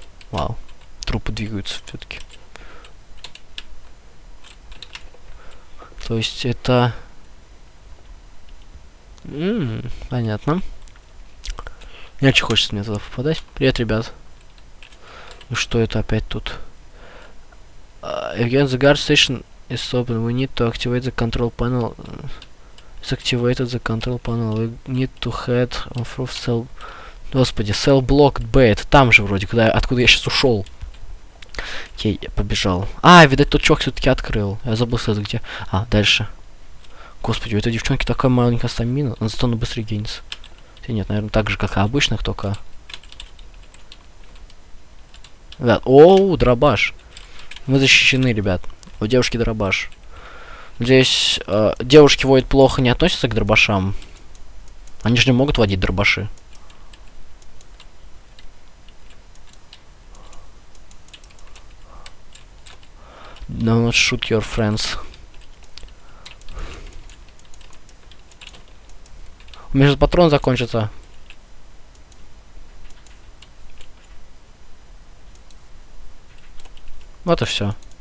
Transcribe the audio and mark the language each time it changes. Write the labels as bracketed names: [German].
[Russian] Вау. Трупы двигаются все-таки. То есть это... понятно. Не очень хочется мне туда попадать. Привет, ребят. Ну что это опять тут? [English] Again, the guard station is open. We need to activate the control panel. It's activated the control panel. We need to head off cell... [Russian] Господи, [English] cell block B. [Russian] Это там же вроде, куда, откуда я сейчас ушел. Окей, я побежал. А, видать, тот чувак все-таки открыл. Я забыл сказать, где. А, дальше. Господи, у этой девчонки такая маленькая стамина. Она зато на быстрый генец. Хотя нет, наверное, так же, как и обычных, только. Ребят, оу, дробаш. Мы защищены, ребят. У девушки дробаш. Здесь девушки водят плохо, не относятся к дробашам. Они же не могут водить дробаши. [English] No, not shoot your friends. [Russian] У меня же патрон закончится. Вот и все.